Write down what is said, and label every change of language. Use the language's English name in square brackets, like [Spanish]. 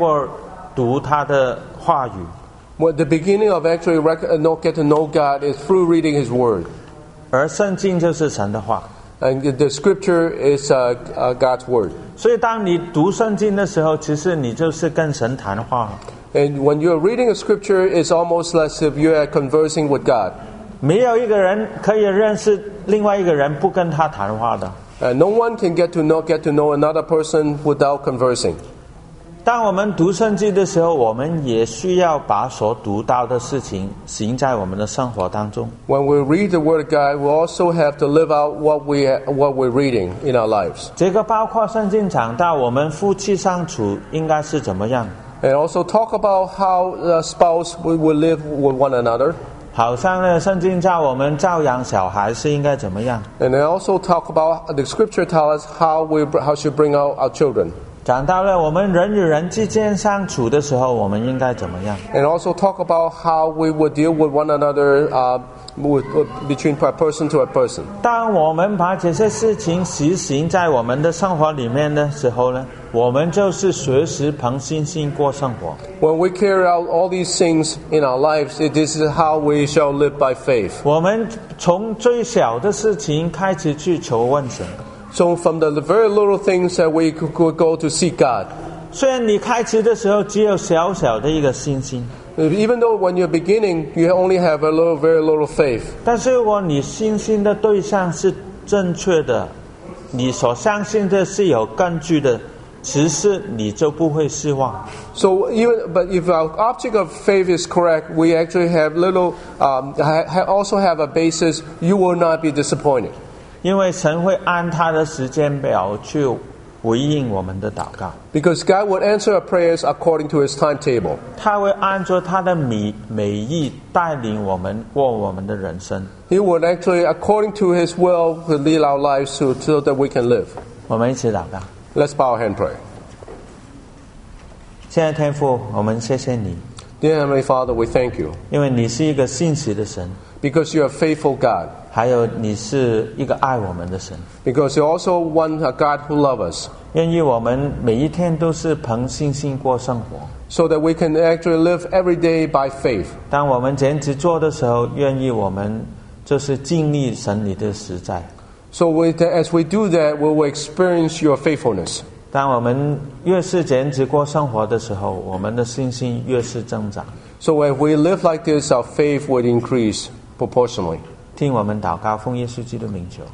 [Chinese] 当我们去认识神的开始，只是就是通过读他的话语。 [English] Well, the beginning of actually get to know God is through reading His Word. [Chinese] 而圣经就是神的话。 [English] And the Scripture is God's Word. [Chinese] 所以当你读圣经的时候，其实你就是跟神谈话。 [English] And when you are reading a scripture, it's almost as if you are conversing with God. And no one can get to know another person without conversing. And when we read the Word of God, we also have to live out what we're reading in our lives. [Chinese] 这个包括圣经讲到我们夫妻相处应该是怎么样。 [English] And also talk about how the spouse will live with one another. [Chinese] 好像呢，圣经叫我们照养小孩是应该怎么样 [English] ？And then also talk about the scripture tells us how should bring out our children. [Chinese] 讲到了我们人与人之间相处的时候，我们应该怎么样 [English] ？And also talk about how we would deal with one another, between a person to a person. [Chinese] 当我们把这些事情实行在我们的生活里面的时候呢？我们就是随时凭信心过生活。 [English] When we carry out all these things in our lives, it is how we shall live by faith. [Chinese] 我们从最小的事情开始去求问神。 [English] So from the very little things that we could go to seek God. [Chinese] 虽然你开始的时候只有小小的一个信心。 [English] Even though when you're beginning, you only have a little, very little faith. [Chinese] 但是如果你信心的对象是正确的，你所相信的是有根据的。其实你就不会失望。 [English] So even but if our object of faith is correct, we actually have little, also have a basis. You will not be disappointed. [Chinese] 因为神会按他的时间表去回应我们的祷告。 [English] Because God would answer our prayers according to His timetable. [Chinese] 他会按照他的美意带领我们过我们的人生。 [English] He would actually according to His will lead our lives so that we can live. [Chinese] 我们一起祷告。 [English] Let's bow our hand pray. [Chinese] 亲爱的天父，我们谢谢你。 [English] Dear Heavenly Father, we thank you. [Chinese] 因为你是一个信实的神。 [English] Because you are a faithful God. [Chinese] 还有你是一个爱我们的神。 [English] Because you also want a God who loves us. [Chinese] 愿意我们每一天都是凭信心过生活。 [English] So that we can actually live every day by faith. [Chinese] 当我们坚持做的时候，愿意我们就是经历神你的实在。 [English] So with, as we do that, we will experience your faithfulness. [Chinese] 当我们越是坚持过生活的时候，我们的信心越是增长。 [English] So if we live like this, our faith would increase proportionally. [Chinese] 听我们祷告，奉耶稣基督的名求。